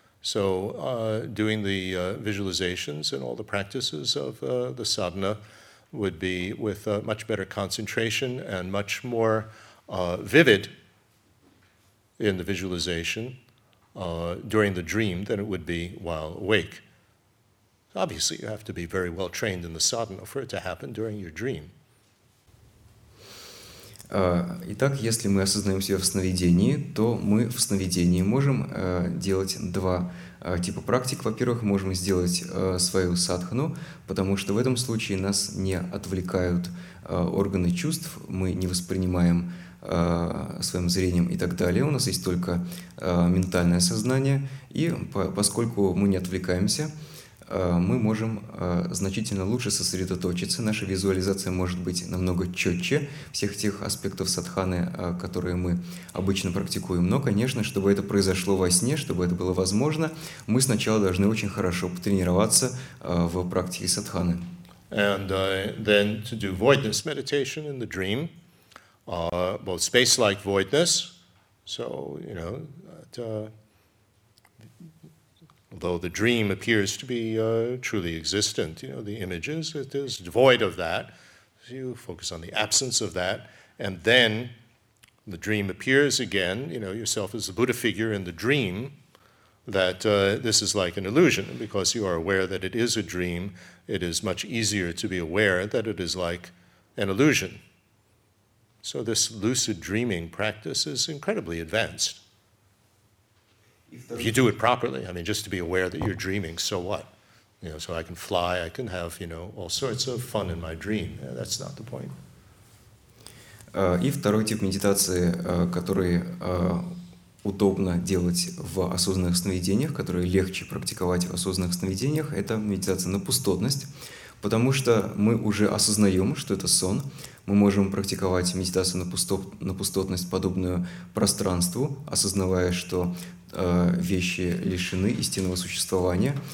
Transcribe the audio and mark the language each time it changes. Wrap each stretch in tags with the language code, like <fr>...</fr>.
<en>So doing the visualizations and all the practices of the sadhana would be with much better concentration and much more vivid in the visualization during the dream than it would be while awake. Obviously, you have to be very well trained in the sadhana for it to happen during your dream.</en> <ru>Итак, если мы осознаем себя в сновидении, то мы в сновидении можем делать два типа практик. Во-первых, можем сделать свою садхану, потому что в этом случае нас не отвлекают органы чувств, мы не воспринимаем своим зрением и так далее. У нас есть только ментальное сознание, и поскольку мы не отвлекаемся, мы можем значительно лучше сосредоточиться, наша визуализация может быть намного четче всех тех аспектов садханы, которые мы обычно практикуем. Но, конечно, чтобы это произошло во сне, чтобы это было возможно, мы сначала должны очень хорошо потренироваться в практике садханы.</ru> <en>And then to do voidness meditation in the dream, both space-like voidness, so, you know, that, though the dream appears to be truly existent, you know, the images, it is devoid of that. So you focus on the absence of that, and then the dream appears again, you know, yourself as the Buddha figure in the dream, that this is like an illusion. Because you are aware that it is a dream, it is much easier to be aware that it is like an illusion. So this lucid dreaming practice is incredibly advanced. If you do it properly, I mean, just to be aware that you're dreaming, so what? You know, so I can fly, I can have, you know, all sorts of fun in my dream. Yeah, that's not the point.</en> <ru>И второй тип медитации, который удобно делать в осознанных сновидениях, который легче практиковать в осознанных сновидениях, это медитация на пустотность, потому что мы уже осознаем, что это сон. Мы можем практиковать медитацию на пустотность, подобную пространству, осознавая, что вещи лишены истинного существования.</ru>